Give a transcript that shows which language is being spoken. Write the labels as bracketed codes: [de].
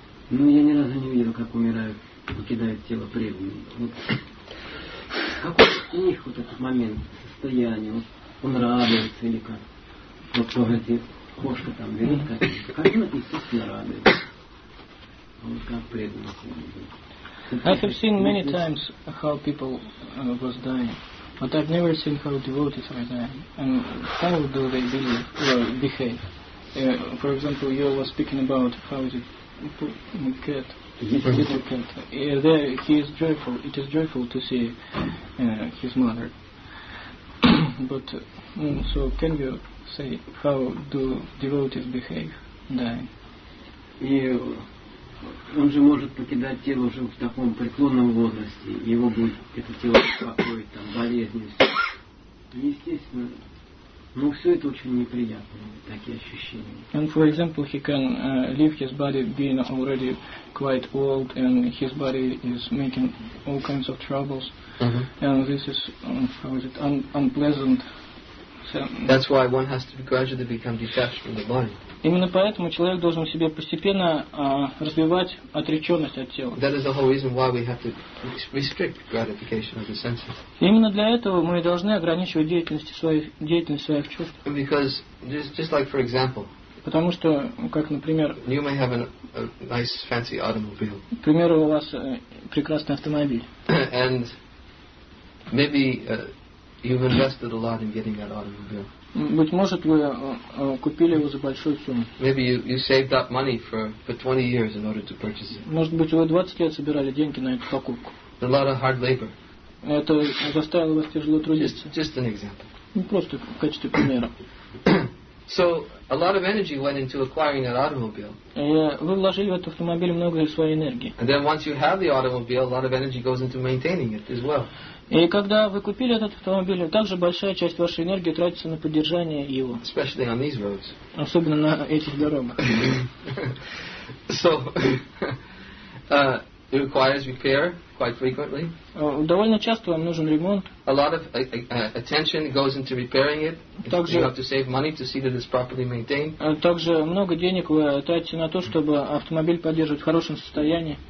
[ru] Но я ни разу не видел, как умирают, покидают тело преданные. Вот какой у них вот этот момент, состояние, вот он радуется или как? Вот кто эти кошки там берет, как он естественно радуется. Вот как преданные. [en] I have seen many times how people was dying. But I've never seen how devotees are dying. And how do they believe or behave? For example, you were speaking about how is it cat, little cat. There he is joyful. It is joyful to see his mother. But so can you say how do devotees behave dying? [ru] Он же может покидать тело уже в таком преклонном возрасте, его будет это тело беспокоить, там, болезни. Естественно, но все это очень неприятно, такие ощущения. [en] And for example, he can leave his body being already quite old, and his body is making all kinds of troubles, and this is how is it unpleasant. So, that's why one has to gradually become detached from the body. [ru] Именно поэтому человек должен в себе постепенно развивать отреченность от тела. [en] That is the whole reason why we have to restrict gratification of the senses. [ru] Именно для этого мы должны ограничивать деятельность своих чувств. [en] Because just like for example. [ru] Потому что, как, например, [en] you may have a nice fancy automobile. [ru] К примеру, у вас прекрасный автомобиль. [en] And maybe you've invested a lot in getting that automobile. [ru] Быть может, вы купили его за большую сумму. [en] Maybe you saved up money for 20 years in order to purchase it. [ru] Может быть, вы 20 лет собирали деньги на эту покупку. [en] A lot of hard labor. [ru] Это заставило вас тяжело трудиться. [en] Just an example. [ru] Ну, просто в качестве примера. [en] So a lot of energy went into acquiring that automobile. [ru] Вы вложили в этот автомобиль много своей энергии. [en] And then once you have the automobile, a lot of energy goes into maintaining it as well. [ru] И когда вы купили этот автомобиль, также большая часть вашей энергии тратится на поддержание его. [en] Especially on these roads. [ru] Особенно на этих дорогах. [en] So, It requires repair quite frequently. [ru] Довольно часто вам нужен ремонт. [en] A lot of attention goes into repairing it. [ru] Также, [en] you have to save money to see that it's properly maintained. [ru] Также много денег вы тратите на то, чтобы автомобиль поддерживать в хорошем состоянии.